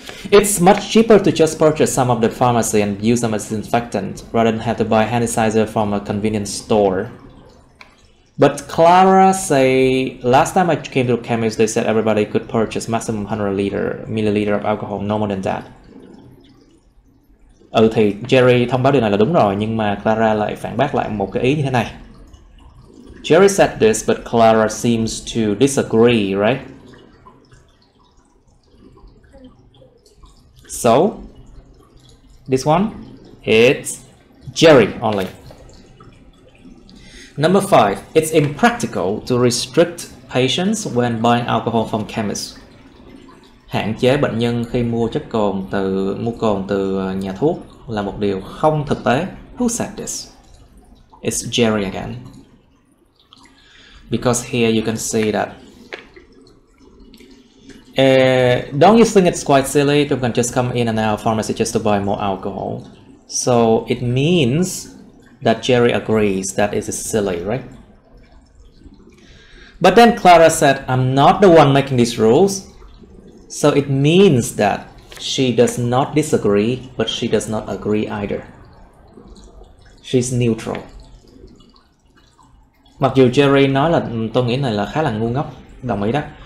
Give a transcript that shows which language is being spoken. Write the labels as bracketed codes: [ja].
[en] It's much cheaper to just purchase some of the pharmacy and use them as disinfectant rather than have to buy hand sanitizer from a convenience store. But Clara say, last time I came to the chemist, they said everybody could purchase maximum 100 milliliter of alcohol, no more than that. [vi] Ừ thì Jerry thông báo điều này là đúng rồi, nhưng mà Clara lại phản bác lại một cái ý như thế này. [en] Jerry said this, but Clara seems to disagree, right? So, this one, it's Jerry only. Number five, it's impractical to restrict patients when buying alcohol from chemists. [vi] Hạn chế bệnh nhân khi mua cồn từ nhà thuốc là một điều không thực tế. [en] Who said this? It's Jerry again. Because here you can see that. Don't you think it's quite silly? People can just come in and out of pharmacy just to buy more alcohol. So it means that Jerry agrees that it is silly, right? But then Clara said, I'm not the one making these rules. So it means that she does not disagree, but she does not agree either. She's neutral. [vi] Mặc dù Jerry nói là tôi nghĩ này là khá là ngu ngốc, đồng ý đó.